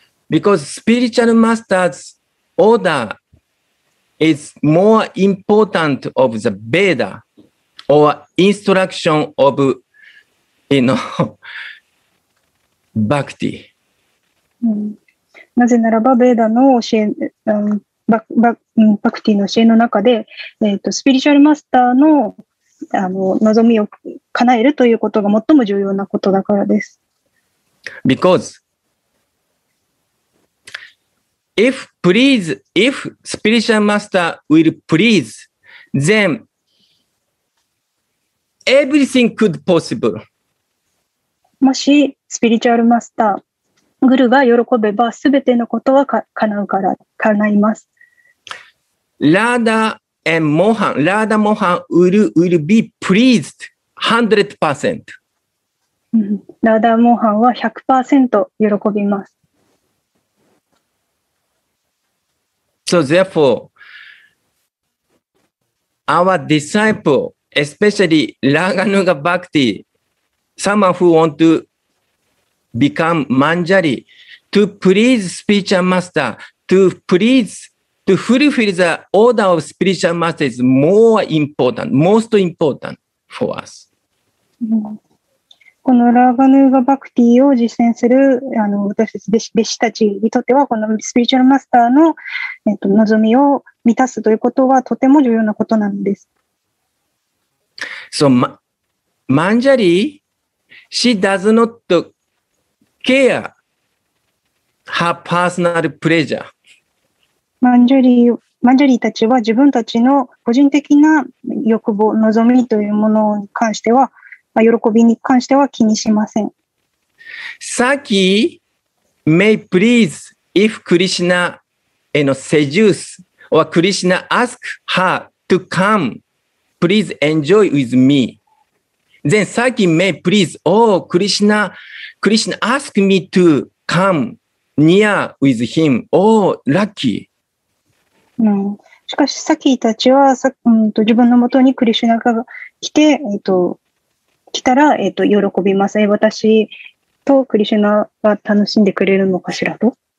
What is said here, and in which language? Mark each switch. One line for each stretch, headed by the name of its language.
English: Because spiritual masters. Order is more important of the Veda or instruction of, Bhakti.
Japanese: なぜならば、Veda の教え、Bhakti の教えの中で、スピリチュアルマスターの、望みを叶えるということが最も重要なことだからです。
English: Because,If spiritual master will please, then everything could possible.
Japanese: もしスピリチュアルマスター、グルが喜べば、すべてのことは叶うから、叶います。
English: Radha and Mohan, Radha Mohan will be pleased 100%.
Japanese: Radha Mohan は 100% 喜びます。
English: So therefore, our disciple, especially Raganuga Bhakti, someone who want to become Manjari, to please spiritual master, to fulfill the order of spiritual master is more important, most important for us.
Japanese: このラーガヌーガバクティを実践する私たち弟子たちにとっては、このスピリチュアルマスターの望みを満たすということはとても重要なことなんです。
English: So, Manjari, she does not care her personal pleasure.
Japanese: Manjari たちは自分たちの個人的な欲望、望みというものに関しては、喜びに関しては気にしません。
English: Saki may please if Krishna seduce or Krishna ask her to come. Please enjoy with me. Then Saki may please, oh Krishna, Krishna ask me to come near with him. Oh, lucky.、
Japanese: うん、しかし、Saki たちは、自分のもとにクリシナが来て、来たら、喜びます。私とクリシナは楽しんでくれるのかしらと。